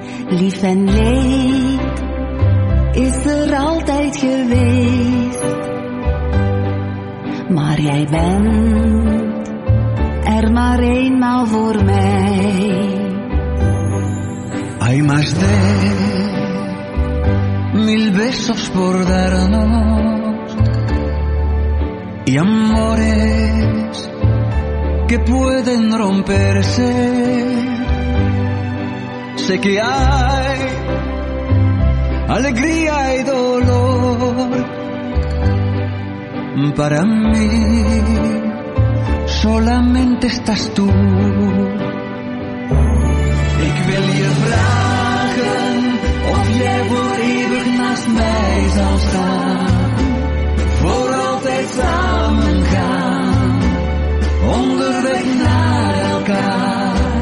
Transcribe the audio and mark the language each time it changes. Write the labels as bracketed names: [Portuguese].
[Dutch] lief en leed, is er altijd geweest. Maar jij bent er maar eenmaal voor mij. [Spanish] Hay más de mil besos por darnos y amores que pueden romperse. Sé que hay alegría y dolor. Para mí solamente estás tú. [Dutch] Ik wil je vragen of jij voor eeuwig naast mij zal staan. Voor altijd samen gaan, onderweg naar elkaar.